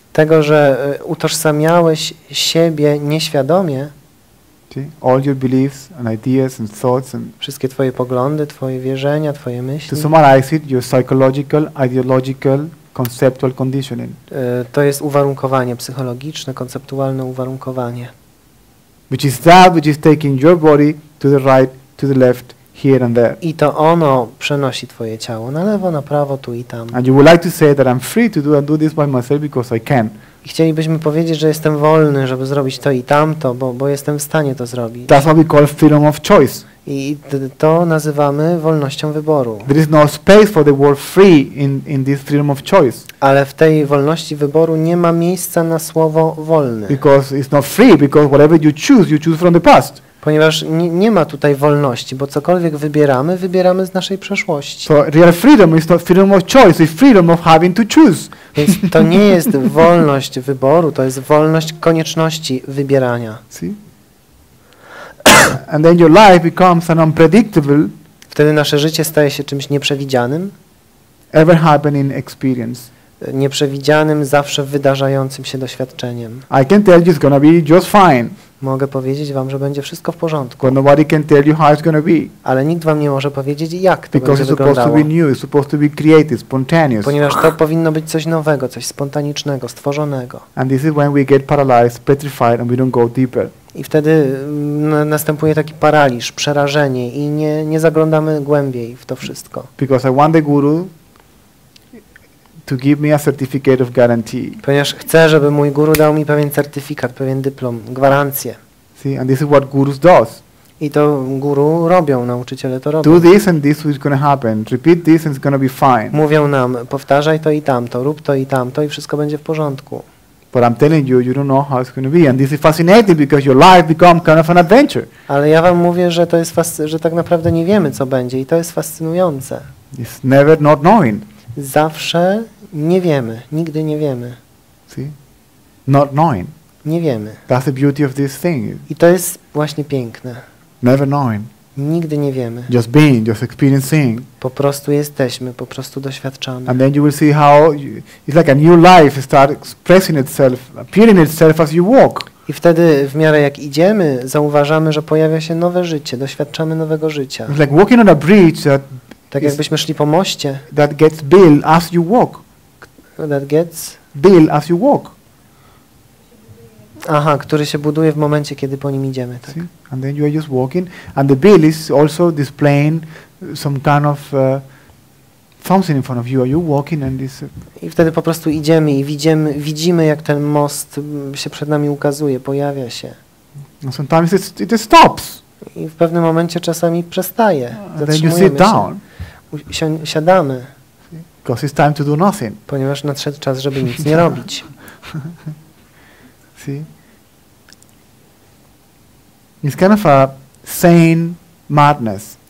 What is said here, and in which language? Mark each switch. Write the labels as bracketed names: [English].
[Polish] Tego, że utożsamiałeś siebie nieświadomie. [English] See? All your beliefs and ideas and thoughts and [Polish] wszystkie twoje poglądy, twoje wierzenia, twoje myśli. [English] To summarize it, your psychological, ideological, conceptual conditioning. [Polish] To jest uwarunkowanie psychologiczne, konceptualne uwarunkowanie. [English] Which is that which is taking your body to the right, to the left, here and there. [Polish] I to ono przenosi twoje ciało na lewo, na prawo, tu i tam. [English] And you would like to say that I'm free to do this by myself because I can. [Polish] I chcielibyśmy powiedzieć, że jestem wolny, żeby zrobić to i tamto, bo jestem w stanie to zrobić. [English] That's what we call freedom of choice. [Polish] I to nazywamy wolnością wyboru. [English] There is no space for the word free in this freedom of choice. [Polish] Ale w tej wolności wyboru nie ma miejsca na słowo wolny. [English] Because it's not free, because whatever you choose from the past. [Polish] Ponieważ nie ma tutaj wolności, bo cokolwiek wybieramy, wybieramy z naszej przeszłości. [English] So real freedom is not freedom of choice, it's freedom of having to choose. [Polish] Więc to nie jest wolność wyboru, to jest wolność konieczności wybierania. [English] See? And then your life becomes an unpredictable. [Polish] Wtedy nasze życie staje się czymś nieprzewidzianym. [English] Ever happening experience. [Polish] Nieprzewidzianym, zawsze wydarzającym się doświadczeniem. [English] I can tell you it's gonna be just fine. [Polish] Mogę powiedzieć wam, że będzie wszystko w porządku. [English] But nobody can tell you how it's gonna be. [Polish] Ale nikt wam nie może powiedzieć, jak to [English] because [Polish] będzie [English] it's supposed [Polish] wyglądało. [English] To be new, it's supposed to be created, spontaneous. [Polish] Ponieważ to powinno być coś nowego, coś spontanicznego, stworzonego. [English] And this is when we get paralyzed, petrified and we don't go deeper. [Polish] I wtedy następuje taki paraliż, przerażenie i nie zaglądamy głębiej w to wszystko. [English] Because I want the guru to give me a certificate of guarantee. [Polish] Ponieważ chcę, żeby mój guru dał mi pewien certyfikat, pewien dyplom, gwarancję. [English] See, and this is what gurus does. [Polish] I to guru robią, nauczyciele to robią. [English] Do this and this is going to happen. Repeat this and it's going to be fine. [Polish] Mówią nam, powtarzaj to i tamto, rób to i tamto i wszystko będzie w porządku. [English] But I'm telling you, you don't know how it's going to be. And this is fascinating because your life becomes kind of an adventure. [Polish] Ale ja wam mówię, że to jest że tak naprawdę nie wiemy, co będzie i to jest fascynujące. [English] It's never not knowing. [Polish] Zawsze nie wiemy, nigdy nie wiemy. [English] See? Not knowing. [Polish] Nie wiemy. [English] That's the beauty of this thing. [Polish] I to jest właśnie piękne. [English] Never knowing. [Polish] Nigdy nie wiemy. [English] Just being, just experiencing. [Polish] Po prostu jesteśmy, po prostu doświadczamy. [English] And then you will see how it's like a new life starts expressing itself, appearing itself as you walk. [Polish] I wtedy w miarę jak idziemy, zauważamy, że pojawia się nowe życie, doświadczamy nowego życia. [English] It's like walking on a bridge that [Polish] tak jakbyśmy szli po moście. [English] That gets built as you walk. That gets built as you walk. [Polish] Aha, który się buduje w momencie, kiedy po nim idziemy. Tak. [English] See? And then you are just walking. And the build is also displaying some kind of something in front of you. Are you walking and this? [Polish] I wtedy po prostu idziemy i widzimy, jak ten most się przed nami ukazuje, pojawia się. [English] And sometimes it stops. [Polish] I w pewnym momencie czasami przestaje. [English] And then you sit down. [Polish] Siadamy. [English] Because it's time to do nothing. [Polish] Ponieważ nadszedł czas, żeby nic nie robić. [English] See? It's kind of a sane madness.